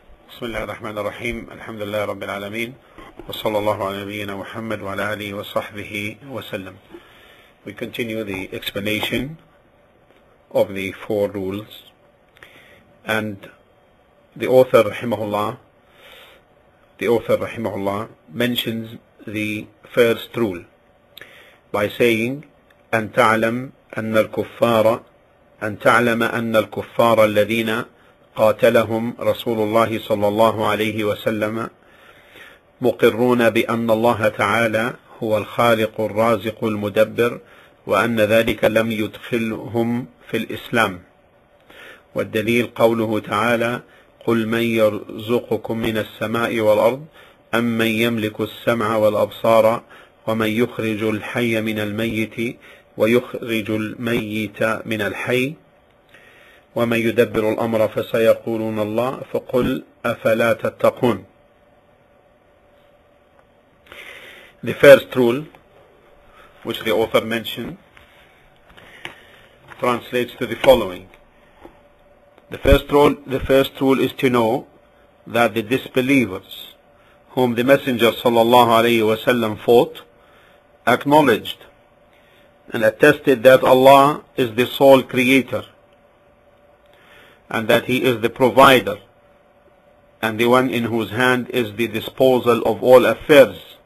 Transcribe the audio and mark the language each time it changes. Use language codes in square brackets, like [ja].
[ar] بسم الله الرحمن الرحيم، الحمد لله رب العالمين، وصلى الله على نبينا محمد وعلى آله وصحبه وسلم. [en] We continue the explanation of the four rules. And the author [ar] رحمه الله [en] mentions the first rule by saying [ar] أن تعلم أن الكفار الذين قاتلهم رسول الله صلى الله عليه وسلم مقرون بأن الله تعالى هو الخالق الرازق المدبر وأن ذلك لم يدخلهم في الإسلام. والدليل قوله تعالى قل من يرزقكم من السماء والأرض أم من يملك السمع والأبصار ومن يخرج الحي من الميت ويخرج الميت من الحي ومن يدبر الأمر فسيقولون الله فقل أفلا تتقون. [en] The first rule, which the author mentioned, translates to the following. The first rule is to know that the disbelievers whom the Messenger sallallahu alayhi wa sallam fought acknowledged and attested that Allah is the sole creator and that He is the provider and the one in whose hand is the disposal of all affairs.